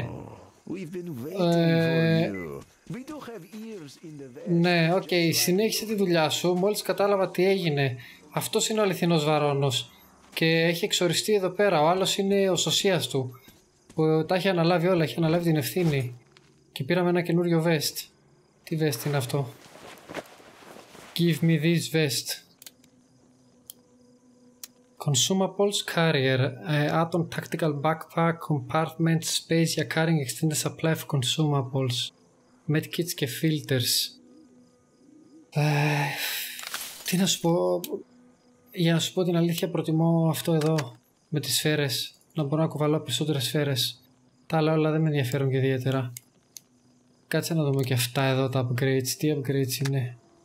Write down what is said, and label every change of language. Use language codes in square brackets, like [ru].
[en] Oh, we've been waiting for you. We do have ears in the vest. [el] Ναι, okay, συνέχισε τη δουλειά σου. Μόλις κατάλαβα τι έγινε. Αυτός είναι ο αληθινός Βαρόνος. Και έχει εξοριστεί εδώ πέρα. Ο άλλος είναι ο σωσίας του. Που τα έχει αναλάβει όλα. Έχει αναλάβει την ευθύνη. Και πήραμε ένα καινούριο vest. Τι vest είναι αυτό? [en] Give me this vest. Consumables carrier. Atom tactical backpack. Compartment space για carrying extended supply of consumables. Medkits και filters. [el] Τι να σου πω. Για να σου πω την αλήθεια, προτιμώ αυτό εδώ. Με τις σφαίρες. Να μπορώ να κουβαλώ περισσότερες σφαίρες. Τα άλλα όλα δεν με ενδιαφέρουν και ιδιαίτερα. Κάτσε να δούμε και αυτά εδώ τα upgrades. Τι upgrades είναι?